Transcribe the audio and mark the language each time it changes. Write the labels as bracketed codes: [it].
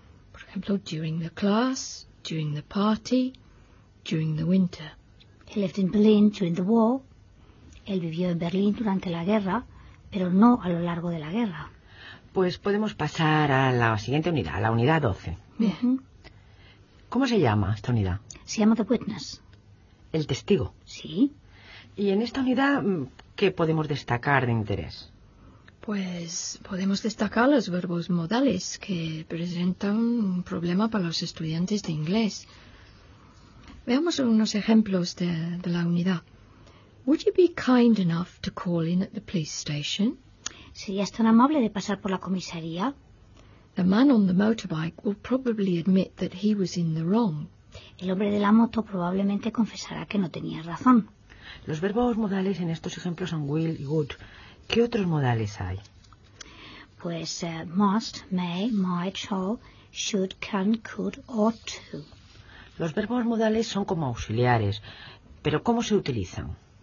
[es] Por ejemplo, [en] during the class, during the party, during the winter. He lived in Berlin during the war. [es] Él vivió en Berlín durante la guerra, pero no a lo largo de la guerra. Pues podemos pasar a la siguiente unidad, a la unidad 12. Bien. ¿Cómo se llama esta unidad? Se llama The Witness. El testigo. Sí. Y en esta unidad, ¿qué podemos destacar de interés? Pues podemos destacar los verbos modales, que presentan un problema para los estudiantes de inglés. Veamos unos ejemplos de la unidad. [en] Would you be kind enough to call in at the police station? [es] ¿Serías tan amable de pasar por la comisaría? [en] The man on the motorbike will probably admit that he was in the wrong. [es] El hombre de la moto probablemente confesará que no tenía razón. Los verbos modales en estos ejemplos son will y would. ¿Qué otros modales hay? [en] Pues must, may, might, shall, should, can, could, ought to. [es] Los verbos modales son como auxiliares, pero ¿cómo se utilizan?